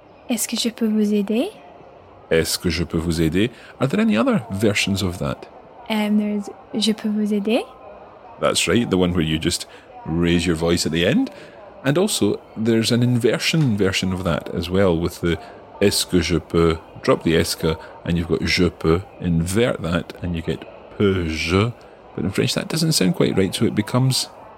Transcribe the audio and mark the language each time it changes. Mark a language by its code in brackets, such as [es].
[fr] Est-ce que je peux vous aider? Est-ce que je peux vous aider? [en] Are there any other versions of that? There's [fr] je peux vous aider. [en] That's right, the one where you just raise your voice at the end. And also, there's an inversion version of that as well, with the est-ce que je peux, drop the esque, and you've got je peux, invert that, and you get peux-je. But in French, that doesn't sound quite right, so it becomes...